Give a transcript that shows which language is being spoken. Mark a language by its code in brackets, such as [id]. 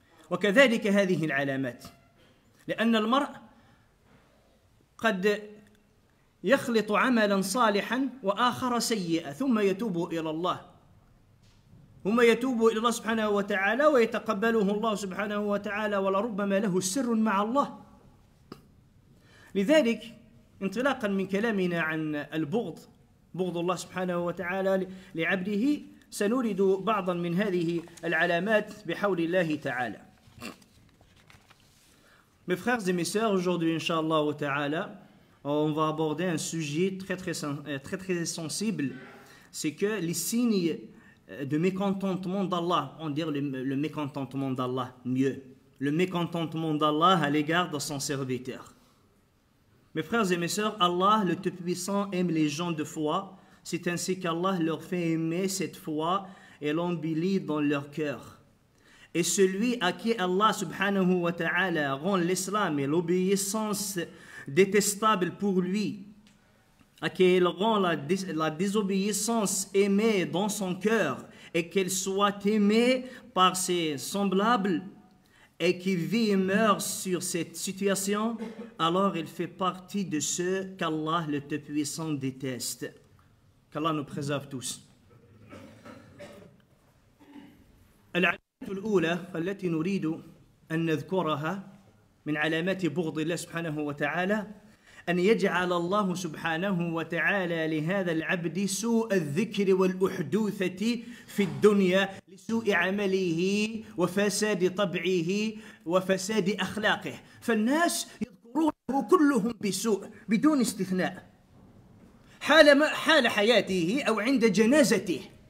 [ar] وكذلك هذه العلامات، لأن المرء قد يخلط عملا صالحا وآخر سيئا ثم يتوب إلى الله، ثم يتوب إلى الله سبحانه وتعالى ويتقبله الله سبحانه وتعالى، ولربما له سر مع الله. لذلك انطلاقا من كلامنا عن البغض، بغض الله سبحانه وتعالى لعبده، سنورد بعضا من هذه العلامات بحول الله تعالى. [fr] Mes frères et mes sœurs, aujourd'hui, inshallah wa ta'ala, on va aborder un sujet très très sensible, c'est que les signes de mécontentement d'Allah, on dirait le mécontentement d'Allah mieux, le mécontentement d'Allah à l'égard de son serviteur. Mes frères et mes sœurs, Allah, le Tout-Puissant, aime les gens de foi, c'est ainsi qu'Allah leur fait aimer cette foi et l'embellit dans leur cœur. Et celui à qui Allah subhanahu wa ta'ala rend l'islam et l'obéissance détestable pour lui, à qui il rend la désobéissance aimée dans son cœur, et qu'elle soit aimée par ses semblables, et qui vit et meurt sur cette situation, alors il fait partie de ceux qu'Allah le Tout-Puissant déteste. Qu'Allah nous préserve tous. [ar] الأولى التي نريد أن نذكرها من علامات بغض الله سبحانه وتعالى أن يجعل الله سبحانه وتعالى لهذا العبد سوء الذكر والأحدوثة في الدنيا لسوء عمله وفساد طبعه وفساد أخلاقه، فالناس يذكرونه كلهم بسوء بدون استثناء حال حياته أو عند جنازته.